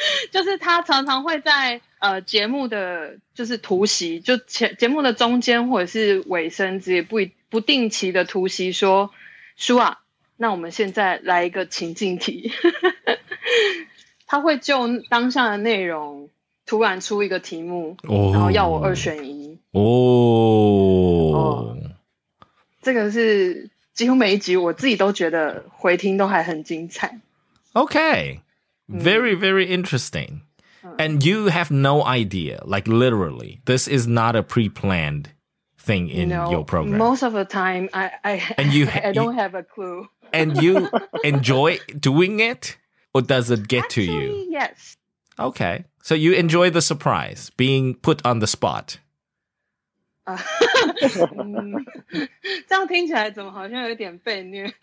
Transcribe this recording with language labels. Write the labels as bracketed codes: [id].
[zh] 就是他常常会在节目的就是突袭就前节目的中间或者是尾声之类不定期的突袭说叔啊那我们现在来一个情境题他会就当下的内容突然出一个题目、 oh. 然后要我二选一、 oh. 这个是几乎每一集我自己都觉得回听都还很精彩 [en] OK very very interesting、嗯、and you have no idea like literally this is not a pre-plannedthing in no, your program most of the time I don't have a clue and you enjoy doing it or does it get Actually, to you yes okay so you enjoy the surprise being put on the spot [zh] 这样听起来怎么好像有点被虐